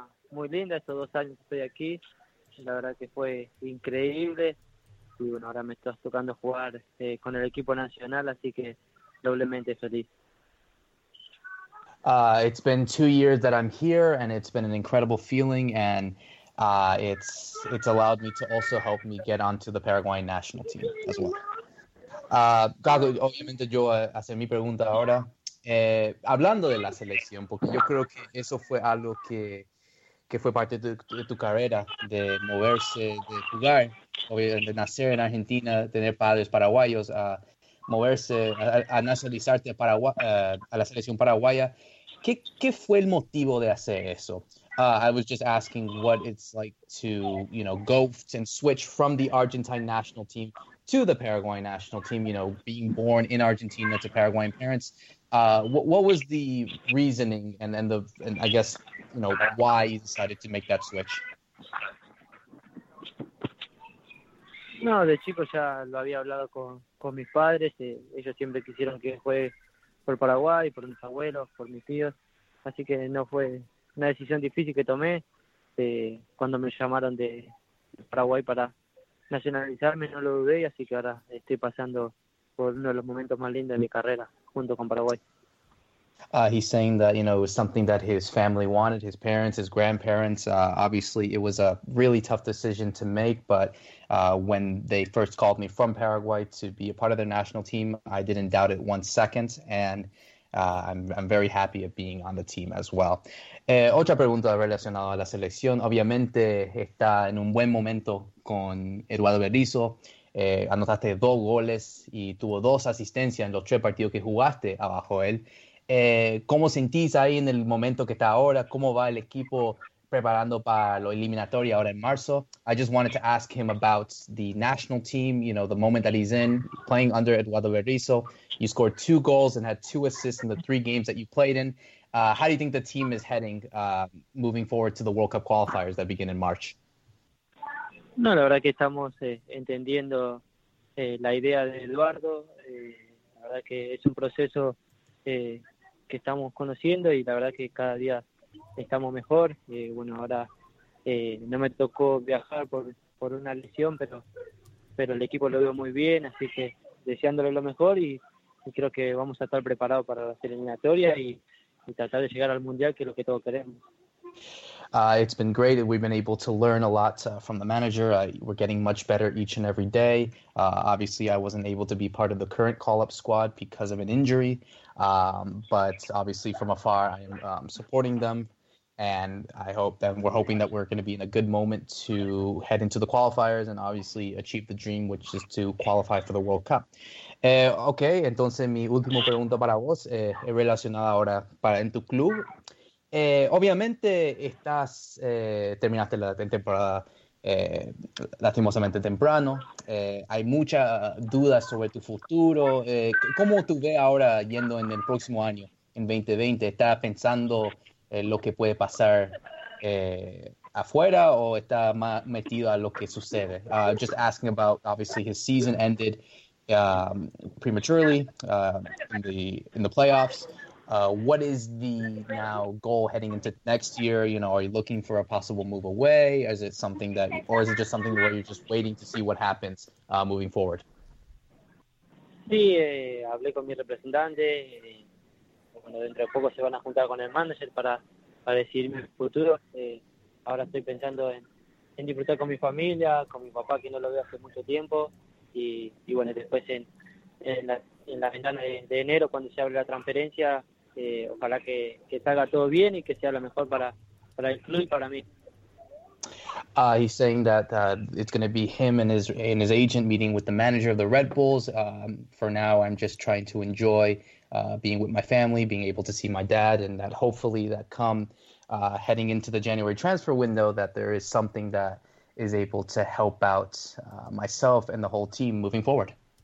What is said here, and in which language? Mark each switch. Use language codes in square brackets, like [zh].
[es] Muy linda, estos 2 años estoy aquí, la verdad que fue increíble, y bueno, ahora me estás tocando jugar con el equipo nacional, así que doblemente feliz. [en] It's been 2 years that I'm here, and it's been an incredible feeling, and it's allowed me to also help me get onto the Paraguayan national team as well. [es] Gago, obviamente yo hacer mi pregunta ahora, hablando de la selección, porque yo creo que eso fue algo que fue parte de tu carrera, de moverse, de jugar, de nacer en Argentina, tener padres paraguayos, a moverse, a nacionalizarte a la selección paraguaya. ¿Qué fue el motivo de hacer eso? [en] I was just asking what it's like to, you know, go and switch from the Argentine national team to the Paraguayan national team, you know, being born in Argentina to Paraguayan parents. What was the reasoning and I guess, you know, why you decided to make that switch? [es] No, de chico ya lo había hablado con mis padres. Ellos siempre quisieron que juegue por Paraguay, por mis abuelos, por mis tíos. así que no fue una decisión difícil que tomé cuando me llamaron de Paraguay para nacionalizarme, no lo dudé, así que ahora estoy pasando por uno de los momentos más lindos de mi carrera junto con Paraguay. [en] He's saying that, you know, it was something that his family wanted, his parents, his grandparents. Obviously, it was a really tough decision to make. But when they first called me from Paraguay to be a part of their national team, I didn't doubt it one second. And I'm very happy of being on the team as well. [es] Otra pregunta relacionada a la selección. Obviamente, está en un buen momento con Eduardo Berizzo. Anotaste dos goles y tuvo dos asistencias en los tres partidos que jugaste abajo él. ¿Cómo sentís ahí en el momento que está ahora? ¿Cómo va el equipo preparando para lo eliminatorio ahora en marzo? [en] I just wanted to ask him about the national team, you know, the moment that he's in, playing under Eduardo Berizzo. You scored two goals and had two assists in the three games that you played in. How do you think the team is heading moving forward to the World Cup qualifiers that begin in March? [es] No, la verdad que estamos entendiendo la idea de Eduardo. La verdad que es un proceso que estamos conociendo y la verdad que cada día estamos mejor. Bueno, ahora no me tocó viajar por una lesión, pero el equipo lo veo muy bien, así que deseándole lo mejor y creo que vamos a estar preparados para la eliminatoria y tratar de llegar al Mundial, que es lo que todos queremos. [en] It's been great. We've been able to learn a lot from the manager. We're getting much better each and every day. Obviously, I wasn't able to be part of the current call-up squad because of an injury. But obviously, from afar, I am supporting them. And I hope that we're hoping that we're going to be in a good moment to head into the qualifiers and obviously achieve the dream, which is to qualify for the World Cup. [es] Okay, entonces mi último pregunta para vos es relacionada ahora para en tu club. Obviamente estás terminaste la temporada lastimosamente temprano. Hay mucha duda sobre tu futuro. ¿Cómo tú ves ahora yendo en el próximo año, en 2020? ¿Estás pensando lo que puede pasar afuera o está más metido a lo que sucede? [en] Just asking about obviously his season ended prematurely in the playoffs. What is the now goal heading into next year? You know, are you looking for a possible move away? Is it something that, or is it just something where you're just waiting to see what happens moving forward? [es] Sí, hablé con mi representante. Bueno, dentro de poco se van a juntar con el manager para decidir mi futuro. Ahora estoy pensando en disfrutar con mi familia, con mi papá, que no lo veo hace mucho tiempo. Y bueno, después en la ventana de enero, cuando se abre la transferencia, ojalá que salga todo bien y que sea lo mejor para el club y para mí. [en] He's saying that it's going to be him and his agent meeting with the manager of the Red Bulls. For now, I'm just trying to enjoy being with my family, being able to see my dad, and that hopefully that come heading into the January transfer window, that there is something that is able to help out myself and the whole team moving forward.